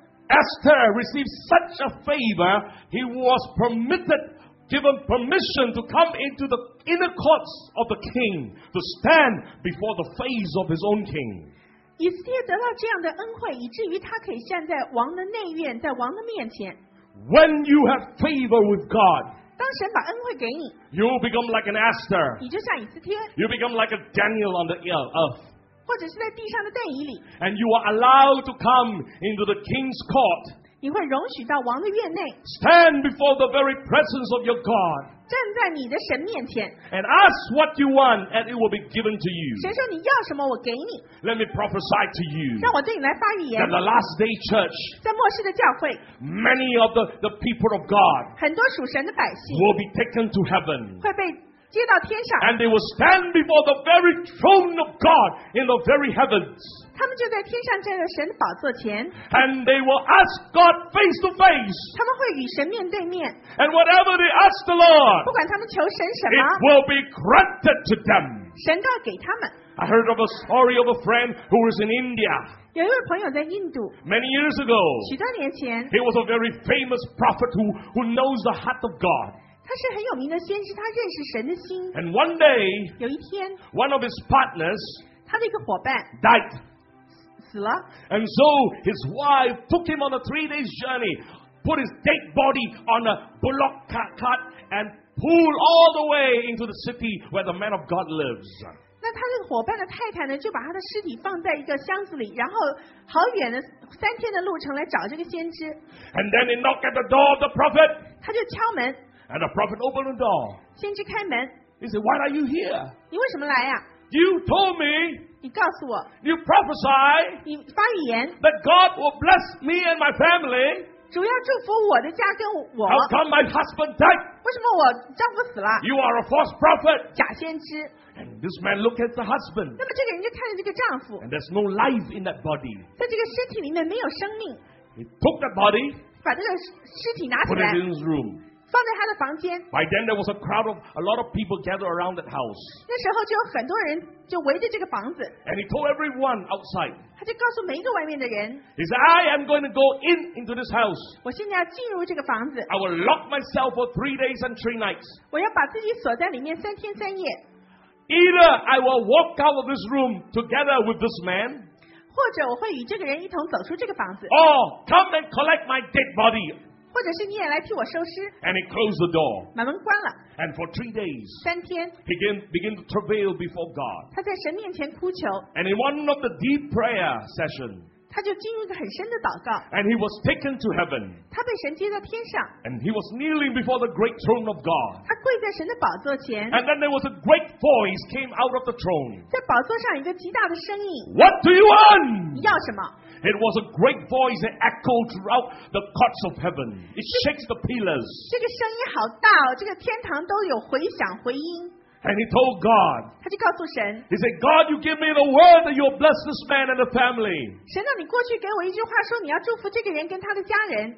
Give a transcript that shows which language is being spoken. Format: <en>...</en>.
<en>Esther received such a favor, he was permitted, given permission to come into the inner courts of the king, to stand before the face of his own king.</en> <zh>以色列得到这样的恩惠，以至于他可以站在王的内院，在王的面前。</zh> <en>When you have favor with God,</en> <zh>当神把恩惠给你,</zh> <en>you become like an Esther.</en> <zh>你就像以斯帖,</zh> <en>you become like a Daniel on the earth.</en> <zh>或者是在地上的但以理,</zh> <en>and you are allowed to come into the king's court.</en> <zh>你会容许到王的院内,</zh> <en>stand before the very presence of your God.</en> <zh>站在你的神面前,</zh> <en>and ask what you want and it will be given to you.</en> <zh>神说你要什么,</zh> <en>let me prophesy to you,</en> <zh>让我对你来发言,</zh> <en>that the last day church,</en> <zh>在末世的教会,</zh> <en>many of the people of God,</en> <zh>很多属神的百姓,</zh> <en>will be taken to heaven,</en> <zh>会被接到天上,</zh> <en>and they will stand before the very throne of God in the very heavens.</en> <zh>他们就在天上站在神的宝座前,</zh> <en>and they will ask God face to face.</en> <zh>他们会与神面对面,</zh> <en>and whatever they ask the Lord,</en> <zh>不管他们求神什么,</zh> <en>it will be granted to them.</en> <zh>神告给他们,</zh> <en>I heard of a story of a friend who was in India.</en> <zh>有一位朋友在印度,</zh> <en>many years ago,</en> <zh>许多年前,</zh> <en>he was a very famous prophet who knows the heart of God.</en> <zh>他是很有名的先知,</zh> <en>and one day,</en> <zh>有一天,</zh> <en>one of his partners,</en> <zh>他的一个伙伴,</zh> <en>died.</en> <zh>死了,</zh> <en>and so his wife took him on a 3 days journey, put his dead body on a bullock cart, and pulled all the way into the city where the man of God lives.</en> <zh>那他这个伙伴的太太呢，就把他的尸体放在一个箱子里， 然后好远的, 3天的路程来找这个先知。</zh> <en>And then he knocked at the door of the prophet.</en> <zh>他就敲门,</zh> <en>and the prophet opened the door.</en> <zh>先知开门,</zh> <en>he said, why are you here?</en> <zh>你为什么来呀?</zh> <en>You told me,</en> <zh>你告诉我,</zh> <en>you prophesy,</en> <zh>你发言,</zh> <en>that God will bless me and my family.</en> <zh>主要祝福我的家跟我,</zh> <en>how come my husband died?</en> <zh>为什么我丈夫死了?</zh> <en>You are a false prophet.</en> <zh>假先知.</zh> <en>And this man looked at the husband,</en> <zh>那么这个人就看着这个丈夫,</zh> <en>and there's no life in that body.</en> <zh>在这个尸体里面没有生命.</zh> <en>He took that body,</en> <zh>把这个尸体拿起来,</zh> <en>put it in his room.</en> <zh>放在他的房间.</zh> <en>By then there was a crowd of a lot of people gathered around that house.</en> <zh>那时候就有很多人就围着这个房子.</zh> <en>And he told everyone outside,</en> <zh>他就告诉每一个外面的人,</zh> <en>he said, I am going to go in into this house.</en> <zh>我现在要进入这个房子.</zh> <en>I will lock myself for 3 days and 3 nights.</en> <zh>我要把自己锁在里面3天3夜.</zh> <en>Either I will walk out of this room together with this man,</en> <zh>或者我会与这个人一同走出这个房子,</zh> <en>or come and collect my dead body, And he closed the door.</en> <zh>把门关了,</zh> <en>and for 3 days,</en> <zh>三天,</zh> <en>he began to travail before God.</en> <zh>他在神面前哭求,</zh> <en>and in one of the deep prayer sessions, and he was taken to heaven. And he was kneeling before the great throne of God. And then there was a great voice came out of the throne. What do you want?</en> <zh>你要什么?</zh> <en>It was a great voice that echoed throughout the courts of heaven. It shakes the pillars.</en> <zh>这个声音好大哦,这个天堂都有回响回音。</zh> <en>And he told God,</en> <zh>他就告诉神,</zh> <en>he said, God, you give me the word that you'll bless this man and the family.</en> <zh>神啊,你过去给我一句话说你要祝福这个人跟他的家人,</zh>